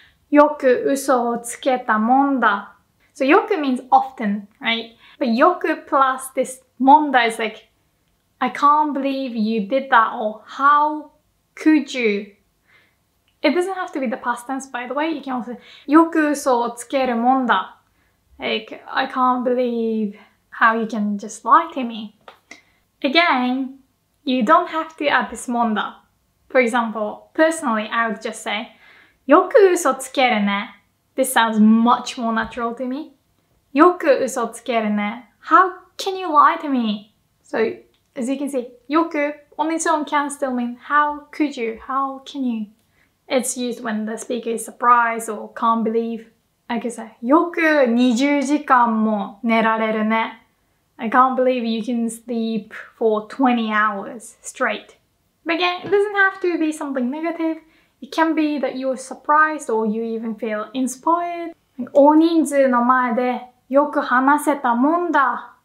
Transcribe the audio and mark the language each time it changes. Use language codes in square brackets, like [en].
[ja] よく嘘をつけたもんだ。 [en] So, よく means often, right? But よく plus this もんだ is like, I can't believe you did that, or how could you? It doesn't have to be the past tense, by the way. You can also say, [ja] よく嘘をつけるもんだ。 [en] Like, I can't believe how you can just lie to me. Again, you don't have to add this もんだ. For example, personally, I would just say, [ja] よく嘘つけるね。 [en] This sounds much more natural to me. [ja] よく嘘つけるね。 [en] How can you lie to me? So, as you can see, よく on its own can still mean how could you, how can you? It's used when the speaker is surprised or can't believe. I can say, [ja] よく20時間も寝られるね。 [en] I can't believe you can sleep for 20 hours straight. But again, it doesn't have to be something negative. It can be that you're surprised or you even feel inspired. [ja] 大人数の前でよく話せたもんだ。